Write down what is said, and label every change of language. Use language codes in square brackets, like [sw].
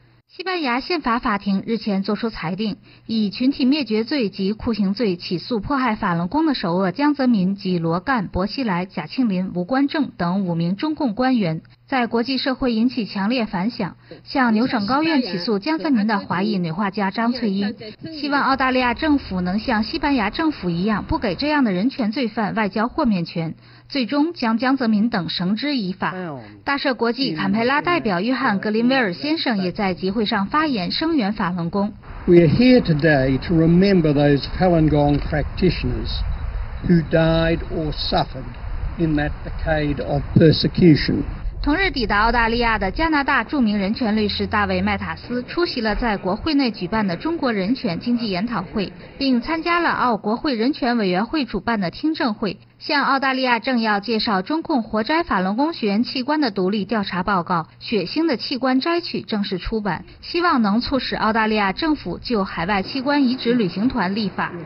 [zh] 西班牙宪法法庭日前作出裁定，以群体灭绝罪及酷刑罪起诉迫害法轮功的首恶江泽民及罗干、薄熙来、贾庆林、吴官正等五名中共官员，在国际社会引起强烈反响，向牛省高院起诉江泽民的华裔女画家张翠英，希望澳大利亚政府能像西班牙政府一样，不给这样的人权罪犯外交豁免权，最终将江泽民等绳之以法。大赦国际坎培拉代表约翰·格林威尔先生也在集会上发言，声援法轮功。 [en] We are here today to remember those Falun Gong practitioners who died or suffered in that decade of persecution. [zh] 同日抵达澳大利亚的加拿大著名人权律师大卫·麦塔斯出席了在国会内举办的中国人权经济研讨会，并参加了澳国会人权委员会主办的听证会，向澳大利亚政要介绍中共活摘法轮功学员器官的独立调查报告《血腥的器官摘取》正式出版，希望能促使澳大利亚政府就海外器官移植旅行团立法。